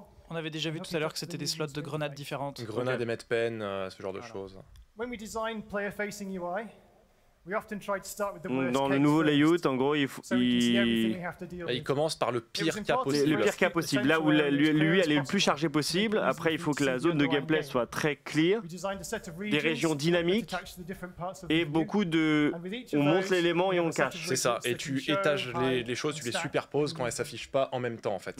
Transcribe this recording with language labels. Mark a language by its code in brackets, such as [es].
[fr] On avait déjà vu tout à l'heure que c'était des slots de grenades différentes. Grenades et MetPen, ce genre de choses. [en] When we design player-facing UI, we often try to start with the [fr] worst. Dans le nouveau layout, en gros, il commence par le pire cas possible. Le pire cas possible, là où l'UI est le plus chargé possible. Après, il faut que la zone de gameplay soit très clear, des régions dynamiques, et beaucoup de... On monte l'élément et on le cache. C'est ça, et tu étages les choses, tu les superposes quand elles ne s'affichent pas en même temps, en fait.